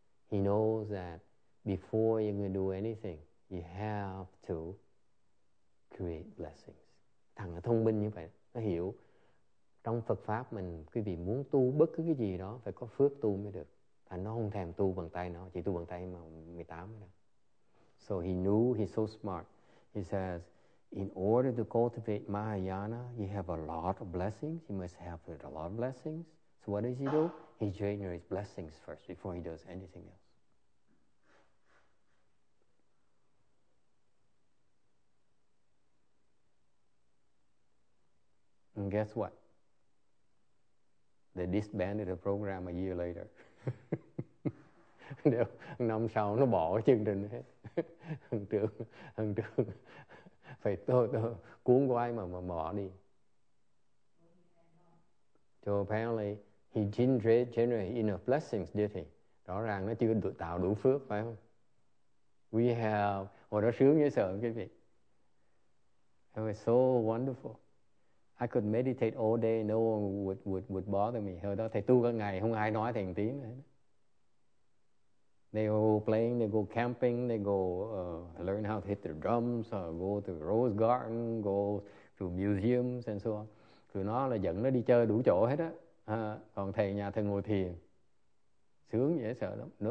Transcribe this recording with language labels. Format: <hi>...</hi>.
<en>He knows that before you're going to do anything, you have to create blessings.</en> <vi>Thằng nó thông minh như vậy. Nó hiểu trong Phật Pháp mình, quý vị muốn tu bất cứ cái gì đó, phải có phước tu mới được. Thằng nó không thèm tu bằng tay nó, chỉ tu bằng tay mà 18 mới được.</vi> <en>So he knew, he's so smart. He says, in order to cultivate Mahayana, you have a lot of blessings. You must have a lot of blessings. So what does he do? He generates blessings first before he does anything else. And guess what? They disbanded the program a year later.</en> <vi>Năm sau nó bỏ chương trình hết. Hằng trưởng. Phải tôi cuốn của ai mà bỏ đi.</vi> <en>So apparently, he didn't generate enough blessings, did he?</en> <vi>Rõ ràng nó chưa tạo đủ phước, phải không?</vi> <en>We have,</en> <vi>nó sướng như sợ, quý vị.</vi> <en>It was so wonderful. I could meditate all day, no one would bother me.</en> <vi>Hồi đó, thầy tu cả ngày, không ai nói thầy một tiếng nữa.</vi> <en>They go playing, they go camping, they go learn how to hit their drums, or go to Rose Garden, go to museums and so on.</en> <vi>Tụi nó là dẫn nó đi chơi đủ chỗ hết á. Còn thầy nhà thầy ngồi thiền. Sướng dễ sợ lắm.</vi>